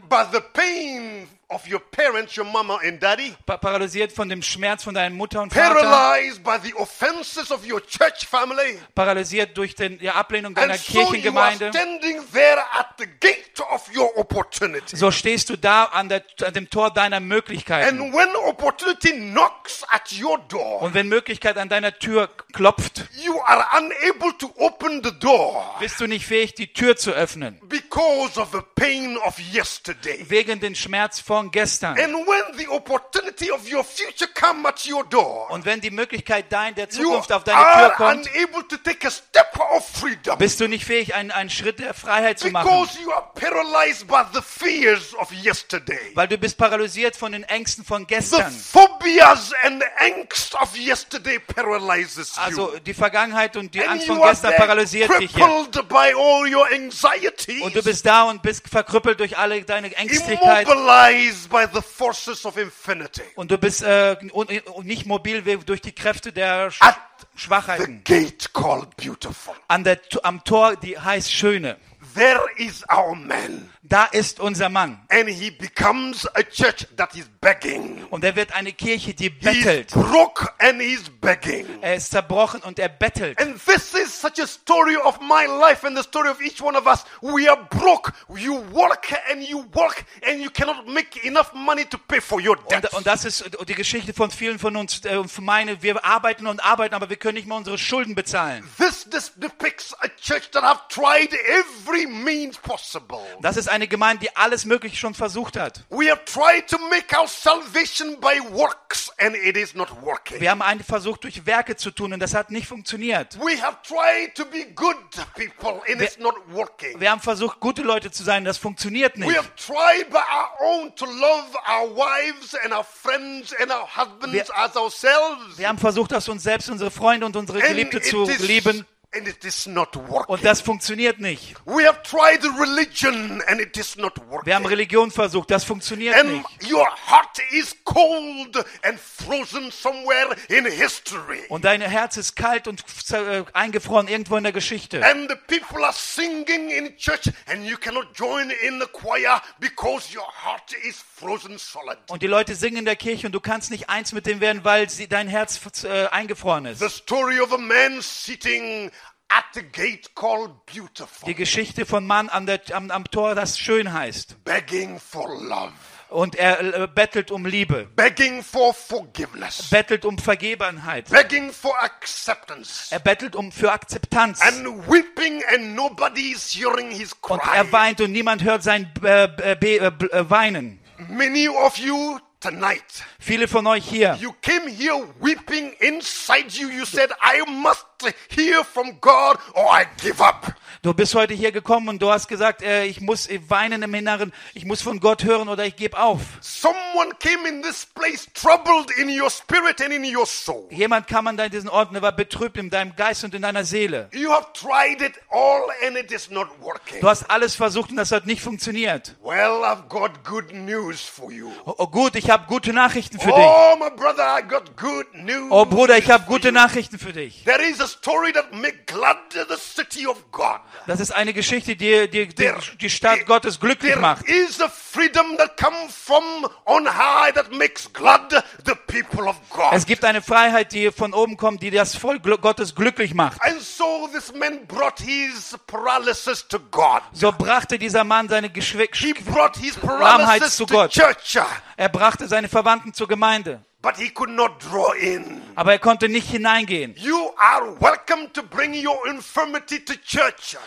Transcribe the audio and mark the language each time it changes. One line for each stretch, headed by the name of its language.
English: Paralyzed by the pain of your parents, your mama and daddy.
German: Paralysiert von dem Schmerz von deinen Mutter und Vater.
English: Paralyzed by the offenses of your church family.
German: Paralysiert durch die Ablehnung deiner
English: and
German: Kirchengemeinde.
English: So you are standing there at the gate of your opportunity.
German: So stehst du da an dem Tor deiner Möglichkeiten.
English: And when opportunity knocks at your door.
German: Und wenn Möglichkeit an deiner Tür klopft.
English: You are unable to open the door.
German: Bist du nicht fähig, die Tür zu öffnen.
English: Because of the pain of yesterday.
German: Wegen den Schmerz von gestern.
English: And when the opportunity of your future come at your door,
German: und wenn die Möglichkeit der Zukunft auf deine Tür kommt,
English: unable to take a step of freedom,
German: bist du nicht fähig, einen Schritt der Freiheit zu machen.
English: Because you are paralyzed by the fears of yesterday.
German: Weil du bist paralysiert von den Ängsten von gestern.
English: The phobias and the angst of yesterday paralyzes you.
German: Also die Vergangenheit und die Angst von gestern paralysiert dich hier.
English: Crippled by all your anxieties,
German: und du bist da und bist verkrüppelt durch alle deine Ängstlichkeit.
English: By the forces of infinity.
German: Und du bist nicht mobil durch die Kräfte der Schwachheiten.
English: The gate called beautiful.
German: Am Tor, die heißt Schöne.
English: There is our man.
German: Da ist unser Mann.
English: And he becomes a church that is begging.
German: Und er wird eine Kirche, die bettelt.
English: He's broke and he's begging.
German: Er ist zerbrochen und er bettelt.
English: And this is such a story of my life and the story of each one of us. We are broke. You work and you work and you cannot make enough money to pay for your debt.
German: Und das ist die Geschichte von vielen von uns. Meine, wir arbeiten und arbeiten, aber wir können nicht mehr unsere Schulden bezahlen.
English: This depicts a church that have tried every means possible.
German: Das ist eine Gemeinde, die alles Mögliche schon versucht hat. Wir haben versucht, durch Werke zu tun, und das hat nicht funktioniert. Wir haben versucht, gute Leute zu sein, das funktioniert nicht. Wir haben versucht, aus uns selbst unsere Freunde und unsere Geliebte zu lieben.
English: And it is not working.
German: Und das funktioniert nicht.
English: We have tried religion and it is not working.
German: Wir haben Religion versucht, das funktioniert
English: and
German: nicht.
English: Your heart is cold and frozen somewhere in history.
German: Und dein Herz ist kalt und eingefroren irgendwo in der Geschichte.
English: And the people are singing in church and you cannot join in the choir because your heart is frozen solid.
German: Und die Leute singen in der Kirche und du kannst nicht eins mit dem werden, weil dein Herz eingefroren ist.
English: The story of a man sitting at the gate called beautiful.
German: Die Geschichte von Mann am Tor, das schön heißt.
English: Begging for love.
German: Und er bettelt um Liebe.
English: Begging for forgiveness.
German: Bettelt um Vergebenheit.
English: Begging for acceptance.
German: Er bettelt für Akzeptanz.
English: And weeping and nobody is hearing his cry.
German: Und er weint und niemand hört sein Weinen.
English: Many of you tonight.
German: Viele von euch hier.
English: You came here weeping inside you. You said, I must hear from God or I give up.
German: Du bist heute hier gekommen und du hast gesagt, ich muss weinen im Inneren, ich muss von Gott hören oder ich gebe auf.
English: Someone came in this place troubled in your spirit and in your soul.
German: Jemand kam an diesen Ort und war betrübt in deinem Geist und in deiner Seele.
English: You have tried it all and it is not working.
German: Du hast alles versucht und das hat nicht funktioniert.
English: Well, I've got good news for you.
German: Oh gut, ich habe gute Nachrichten für dich. Oh,
English: my brother, I got good news.
German: Oh Bruder, ich habe gute Nachrichten für dich.
English: There is a story that make glad the city of God.
German: Das ist eine Geschichte, die Stadt Gottes glücklich macht.
English: There is a freedom that come from on high that makes glad the people of God.
German: Es gibt eine Freiheit, die von oben kommt, die das Volk Gottes glücklich macht.
English: And so this man brought his paralysis to God.
German: So brachte dieser Mann seine Lahmheit zu Gott.
English: To the
German: Er brachte seine Verwandten zur Gemeinde.
English: But he could not draw in.
German: Aber er konnte nicht hineingehen.
English: You are welcome to bring your infirmity to church.